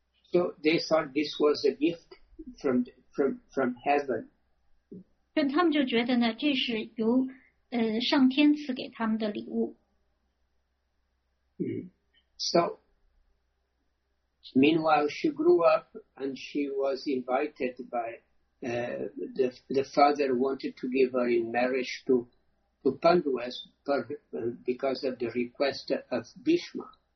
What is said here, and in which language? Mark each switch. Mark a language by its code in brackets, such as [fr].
[en] So they thought this was a gift from heaven. [zh] 但他们就觉得呢，这是由上天赐给他们的礼物。 [en] So, meanwhile, she grew up and she was invited by the father wanted to give her in marriage to Pandavas because of the request of Bhishma.